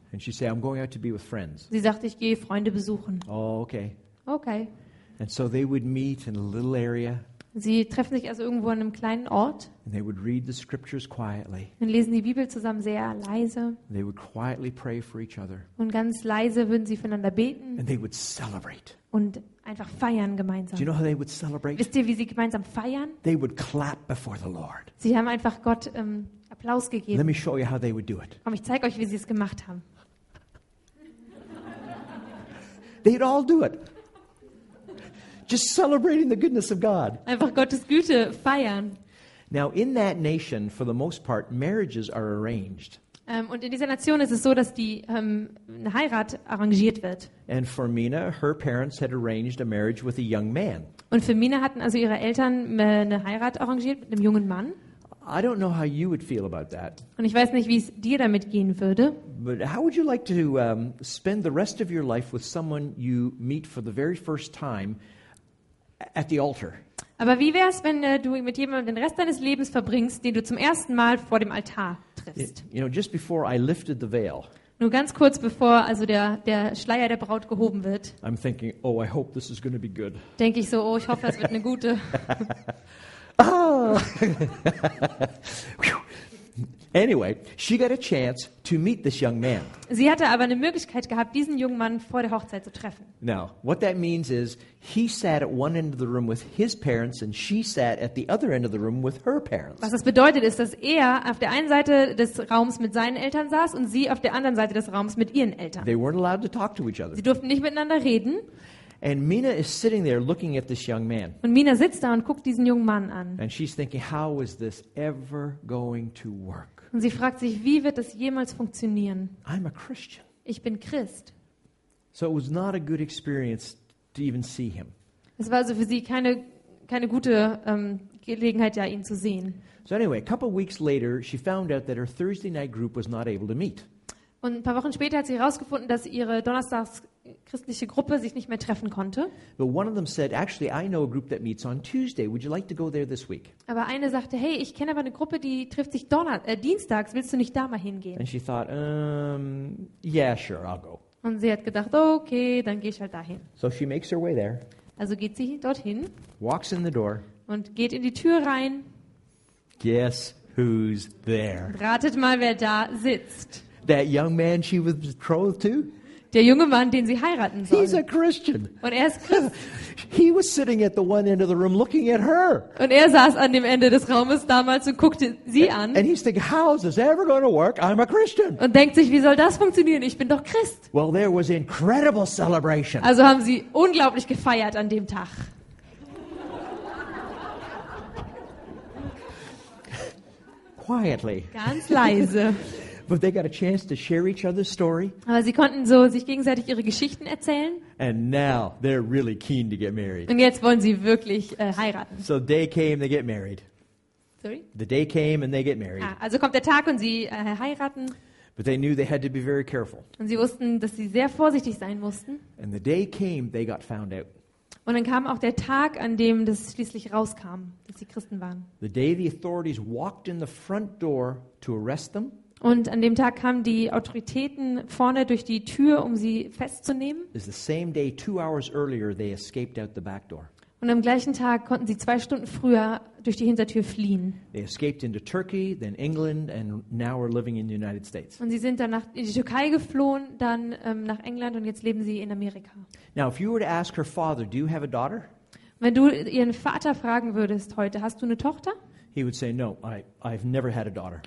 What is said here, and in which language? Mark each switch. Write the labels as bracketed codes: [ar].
[en] And she said, "I'm going out to be with friends." [de] Sie sagte, ich gehe Freunde besuchen. [en] Oh, okay. Okay. And so they would meet in a little area. [de] Sie treffen sich also irgendwo an einem kleinen Ort. [en] And they would read the scriptures quietly. [de] Und lesen die Bibel zusammen sehr leise. [en] They would quietly pray for each other. [de] Und ganz leise würden sie füreinander beten. [en] And they would celebrate. [de] Und einfach feiern gemeinsam. [en] Do you know how they would celebrate? [de] Wisst ihr, wie sie gemeinsam feiern? [en] They would clap before the Lord. [de] Sie haben einfach Gott Applaus gegeben. [en] Let me show you how they would do it. [de] Komm, ich zeige euch, wie sie es gemacht haben. [en] They'd all do it. Just celebrating the goodness of God. [de] Einfach Gottes Güte feiern. [en] Now in that nation, for the most part, marriages are arranged. [de] Und in dieser Nation ist es so, dass die eine Heirat arrangiert wird. [en] And for Mina, her parents had arranged a marriage with a young man. [de] Und für Mina hatten also ihre Eltern eine Heirat arrangiert mit einem jungen Mann. [en] I don't know how you would feel about that. [de] Und ich weiß nicht, wie es dir damit gehen würde. [en] But how would you like to spend the rest of your life with someone you meet for the very first time? At the altar. [de] Aber wie wär's, wenn du mit jemandem den Rest deines Lebens verbringst, den du zum ersten Mal vor dem Altar triffst? [en] You know, just before I lifted the veil. [de] Nur ganz kurz bevor also der Schleier der Braut gehoben wird. [en] I'm thinking, oh, I hope this is going to be good. [de] Denk ich so, oh, ich hoffe, es wird eine gute. [en] Oh. Anyway, she got a chance to meet this young man. [de] Sie hatte aber eine Möglichkeit gehabt, diesen jungen Mann vor der Hochzeit zu treffen. [en] Now, what that means is, he sat at one end of the room with his parents, and she sat at the other end of the room with her parents. [de] Was das bedeutet, ist, dass er auf der einen Seite des Raums mit seinen Eltern saß und sie auf der anderen Seite des Raums mit ihren Eltern. [en] They weren't allowed to talk to each other. [de] Sie durften nicht miteinander reden. [en] And Mina is sitting there looking at this young man. [de] Und Mina sitzt da und guckt diesen jungen Mann an. [en] And she's thinking, how is this ever going to work? [de] Und sie fragt sich, wie wird das jemals funktionieren? [en] I'm a Christian. [de] Ich bin Christ. [en] So it was not a good experience to even see him. [de] Es war also für sie keine gute Gelegenheit, ja, ihn zu sehen. [en] So anyway, a couple weeks later, she found out that her Thursday night group was not able to meet. [de] Und ein paar Wochen später hat sie herausgefunden, dass ihre Donnerstags christliche Gruppe sich nicht mehr treffen konnte. [en] But one of them said, actually, I know a group that meets on Tuesday. Would you like to go there this week? [de] Aber eine sagte, hey, ich kenne aber eine Gruppe, die trifft sich dienstags. Willst du nicht da mal hingehen? [en] And she thought, yeah, sure, I'll go. [de] Und sie hat gedacht, okay, dann gehe ich halt dahin. [en] So she makes her way there. [de] Also geht sie dorthin. [en] Walks in the door. [de] Und geht in die Tür rein. [en] Guess who's there? [de] Ratet mal, wer da sitzt. [en] That young man she was betrothed to? [de] Der junge Mann, den sie heiraten soll. [en] He's a Christian. [de] Und er ist Christ. [en] He was sitting at the one end of the room looking at her. [de] Und er saß an dem Ende des Raumes damals und guckte sie an. [en] And he's thinking, how is this ever going to work? I'm a Christian. [de] Und denkt sich, wie soll das funktionieren? Ich bin doch Christ. [en] Well, there was incredible celebration. [de] Also haben sie unglaublich gefeiert an dem Tag. [en] Quietly. [de] Ganz leise. [en] But they got a chance to share each other's story. [de] Aber sie konnten so sich gegenseitig ihre Geschichten erzählen. [en] And now they're really keen to get married. [de] Und jetzt wollen sie wirklich heiraten. [en] So the day came, they get married. Sorry? The day came and they get married. [de] Ah, also kommt der Tag und sie heiraten. [en] But they knew they had to be very careful. [de] Und sie wussten, dass sie sehr vorsichtig sein mussten. [en] And the day came, they got found out. [de] Und dann kam auch der Tag, an dem das schließlich rauskam, dass sie Christen waren. [en] The day the authorities walked in the front door to arrest them. [de] Und an dem Tag kamen die Autoritäten vorne durch die Tür, um sie festzunehmen. [en] It's the same day, 2 hours earlier, they escaped out the back door. [de] Und am gleichen Tag konnten sie 2 Stunden früher durch die Hintertür fliehen. [en] They escaped into Turkey, then England, and now are living in the United States. [de] Und sie sind dann nach in die Türkei geflohen, dann nach England und jetzt leben sie in Amerika. [en] Now, if you were to ask her father, do you have a daughter? [de] Wenn du ihren Vater fragen würdest heute, hast du eine Tochter? [en] He would say, no, I've never had a daughter.